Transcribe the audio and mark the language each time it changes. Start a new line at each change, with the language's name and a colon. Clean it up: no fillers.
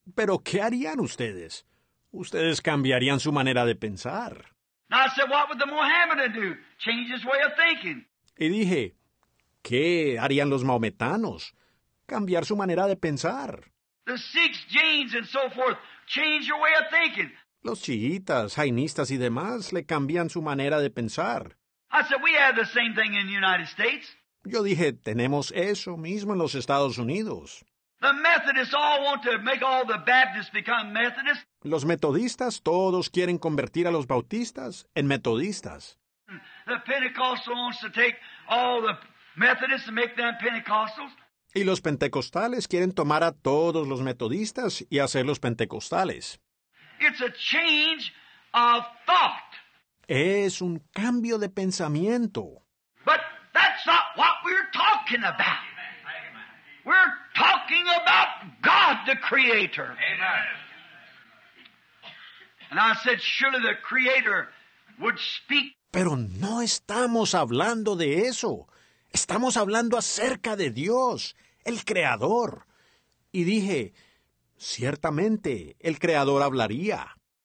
Spanish: ¿Pero qué harían ustedes? Ustedes cambiarían su manera de pensar.
English: Now I said, what would the Mohammedan do? Change his way of thinking.
Spanish: Y dije, ¿qué harían los mahometanos? Cambiar su manera de pensar.
English: The Sikhs, Jains, and so forth, change your way of thinking.
Spanish: Los chiitas, jainistas y demás le cambian su manera de pensar.
English: I said, we have the same thing in the United States.
Spanish: Yo dije, tenemos eso mismo en los Estados Unidos.
English: The Methodists all want to make all the Baptists become Methodists.
Spanish: Los metodistas todos quieren convertir a los bautistas en metodistas.
English: The Pentecostal wants to take all the Methodists and make them Pentecostals.
Spanish: Y los pentecostales quieren tomar a todos los metodistas y hacerlos pentecostales.
English: It's a change of thought.
Spanish: Es un cambio de pensamiento.
English: But that's not what we're talking about. We're talking about God the Creator. Amen. And I said, surely the Creator would speak.
Spanish: Pero no estamos hablando de eso. Estamos hablando acerca de Dios, el Creador. Y dije, ciertamente, el Creador hablaría.